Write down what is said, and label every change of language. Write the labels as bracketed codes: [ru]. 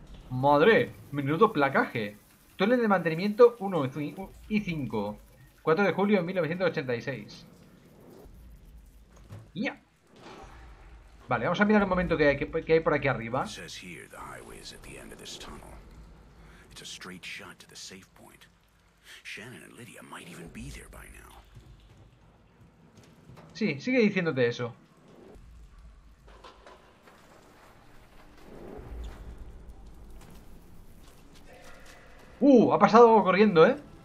[es] ¡Madre! ¡Menudo placaje! Túnel de mantenimiento 1 y 5. 4 de julio de 1986. ¡Ya! Vale, vamos a mirar un momento que hay por aquí arriba. [en] Says here the highway is at the end of this tunnel. It's a straight shot to the safe point. Shannon and Lydia might even be there by now. [es] Sí, sigue diciéndote eso. Ha pasado algo corriendo, ¿eh?